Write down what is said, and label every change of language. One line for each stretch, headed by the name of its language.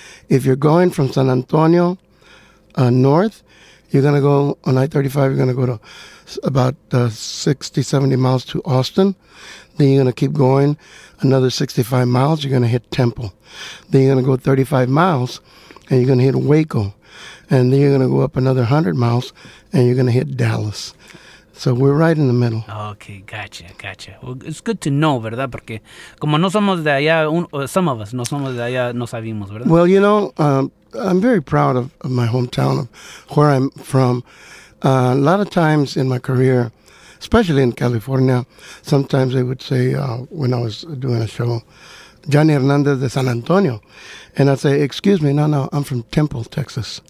English: If you're going from San Antonio north, you're going to go on I-35, you're going to go to about 60, 70 miles to Austin. Then you're going to keep going another 65 miles, you're going to hit Temple. Then you're going to go 35 miles, and you're going to hit Waco. And then you're going to go up another 100 miles, and you're going to hit Dallas. So we're right in the middle. Okay, gotcha, gotcha. Well, it's good to know,
Spanish: ¿verdad? Porque como no somos de allá,
English: some of us
Spanish: no somos de allá, no sabemos, ¿verdad?
English: Well, you know, I'm very proud of my hometown, of where I'm from. A lot of times in my career, especially in California, sometimes they would say, when I was doing a show, Johnny Hernandez de San Antonio. And I'd say, excuse me, no, I'm from Temple, Texas.